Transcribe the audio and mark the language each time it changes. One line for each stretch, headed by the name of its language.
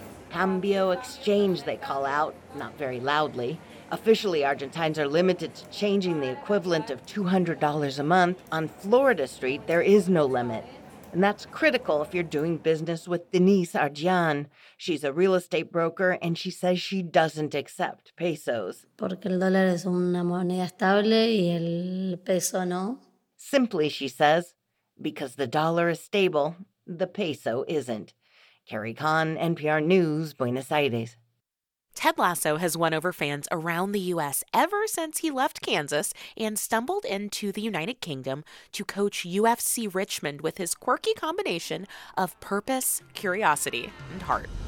English: Cambio exchange, they call out, not very loudly. Officially, Argentines are limited to changing the equivalent of $200 a month. On Florida Street, there is no limit. And that's critical if you're doing business with Denise Arjan. She's a real estate broker, and she says she doesn't accept pesos.
Spanish: Porque el dólar es una moneda estable y el peso no.
English: Simply, she says, because the dollar is stable, the peso isn't. Carrie Kahn, NPR News, Buenos Aires. Ted Lasso has won over fans around the U.S. ever since he left Kansas and stumbled into the United Kingdom to coach UFC Richmond with his quirky combination of purpose, curiosity, and heart.